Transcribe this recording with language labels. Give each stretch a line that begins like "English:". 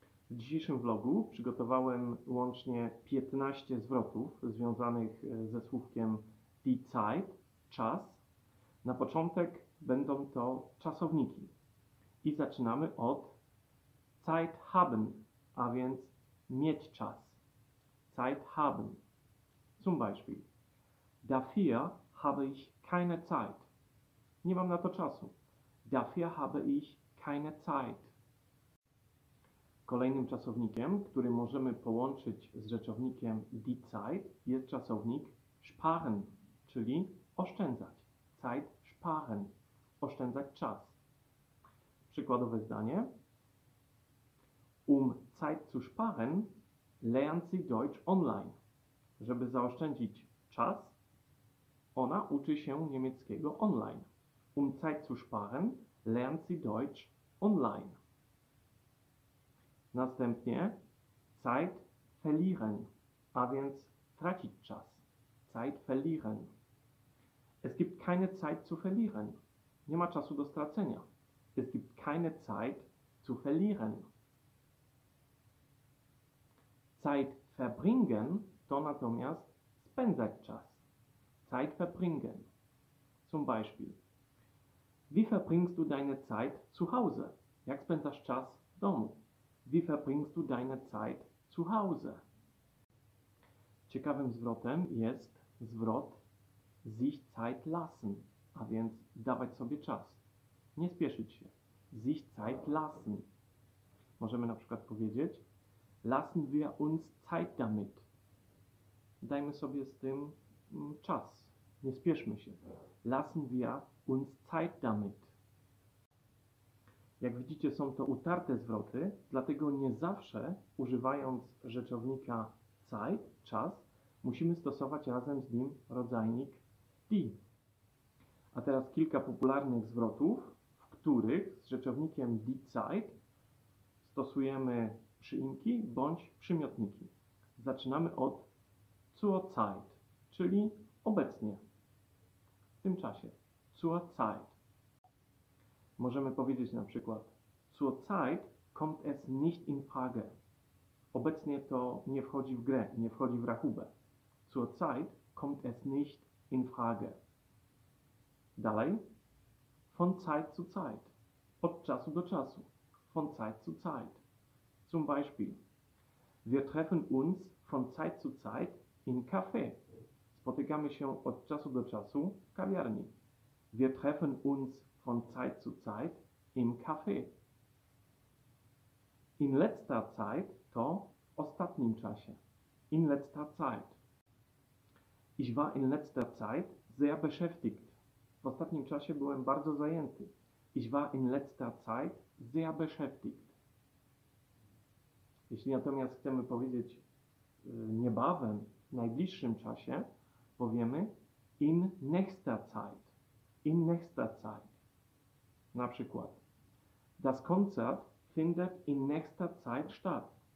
Polish: W dzisiejszym vlogu przygotowałem łącznie 15 zwrotów związanych ze słówkiem die Zeit, czas. Na początek będą to czasowniki. I zaczynamy od
German: Zeit haben,
Polish: a więc mieć czas.
German: Zeit haben. Zum Beispiel. Dafür habe ich keine Zeit.
Polish: Nie mam na to czasu.
German: Dafür habe ich keine Zeit.
Polish: Kolejnym czasownikiem, który możemy połączyć z rzeczownikiem die Zeit, jest czasownik sparen, czyli oszczędzać.
German: Zeit sparen.
Polish: Oszczędzać czas. Przykładowe zdanie.
German: Zeit zu sparen, lernt sie Deutsch online.
Polish: Żeby zaoszczędzić czas, ona uczy się niemieckiego online.
German: Zeit zu sparen, lernt sie Deutsch online.
Polish: Następnie
German: Zeit verlieren,
Polish: a więc tracić czas.
German: Zeit verlieren. Es gibt keine Zeit zu verlieren.
Polish: Nie ma czasu do stracenia.
German: Es gibt keine Zeit zu verlieren. Zeit verbringen
Polish: to natomiast spędzać czas.
German: Zeit verbringen. Zum Beispiel. Wie verbringst du deine Zeit zu Hause?
Polish: Jak spędzasz czas w domu?
German: Wie verbringst du deine Zeit zu Hause?
Polish: Ciekawym zwrotem jest zwrot
German: sich Zeit lassen,
Polish: a więc dawać sobie czas. Nie spieszyć się.
German: Sich Zeit lassen.
Polish: Możemy na przykład powiedzieć
German: lassen wir uns Zeit damit.
Polish: Dajmy sobie z tym czas. Nie spieszmy się.
German: Lassen wir uns Zeit damit.
Polish: Jak widzicie, są to utarte zwroty, dlatego nie zawsze używając rzeczownika Zeit, czas, musimy stosować razem z nim rodzajnik die. A teraz kilka popularnych zwrotów, w których z rzeczownikiem die Zeit stosujemy przyimki bądź przymiotniki. Zaczynamy od
German: zur Zeit,
Polish: czyli obecnie, w tym czasie.
German: Zur Zeit.
Polish: Możemy powiedzieć na przykład
German: zur Zeit kommt es nicht in Frage.
Polish: Obecnie to nie wchodzi w grę, nie wchodzi w rachubę.
German: Zur Zeit kommt es nicht in Frage.
Polish: Dalej.
German: Von Zeit zu Zeit.
Polish: Od czasu do czasu.
German: Von Zeit zu Zeit. Zum Beispiel, wir treffen uns von Zeit zu Zeit in Café.
Polish: Spotykamy się od czasu do czasu w kawiarni.
German: Wir treffen uns von Zeit zu Zeit im Café. In letzter Zeit
Polish: to w ostatnim czasie.
German: In letzter Zeit. Ich war in letzter Zeit sehr beschäftigt.
Polish: W ostatnim czasie byłem bardzo zajęty.
German: Ich war in letzter Zeit sehr beschäftigt.
Polish: Jeśli natomiast chcemy powiedzieć niebawem, w najbliższym czasie, powiemy
German: in nächster Zeit. In nächster Zeit.
Polish: Na przykład.
German: Das Konzert findet in nächster Zeit statt.